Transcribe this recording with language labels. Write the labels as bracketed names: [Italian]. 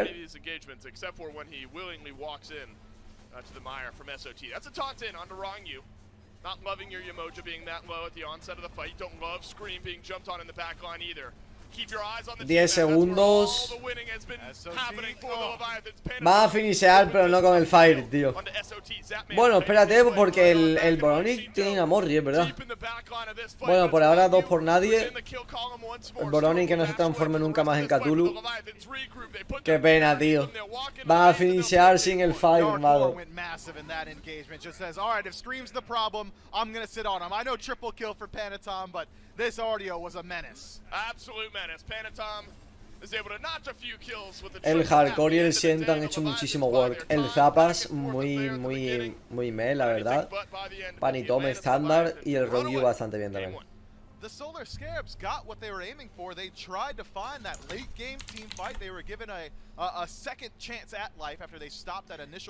[English] Any of these engagements, except for when he willingly walks in to the mire from SOT. That's a taunt in onto Rongyu. Not loving your Yumoja being that low at the onset of the fight. You don't love Scream being jumped on in the back line either. Keep your eyes on the [Spanish] 10 segundos. [English] All the winning has been happening for the Leviathans. [Spanish] Va a finishear, pero no con el fire, tío. Bueno, espérate, porque el Boronic tiene una Morrie, ¿verdad? Bueno, por ahora dos por nadie. El Boronic que no se transforme nunca más en Cthulhu. Qué pena, tío. Va a finishear sin el fire, malo. [English] Just says, all right, if Scream's the problem, I'm gonna sit on him. I know triple kill for Panatom, but this audio was a menace. Absolute menace. Panatom is able to notch a few kills with the [Spanish] El Hardcore y el Sienta han hecho muchísimo work. El Zapas muy meh, la verdad. Panitom estándar y el Rongyu bastante bien también. [English] The Solar Scarabs got what they were aiming for. They tried to find that late game team fight. They were given a second chance at life after they stopped that initial.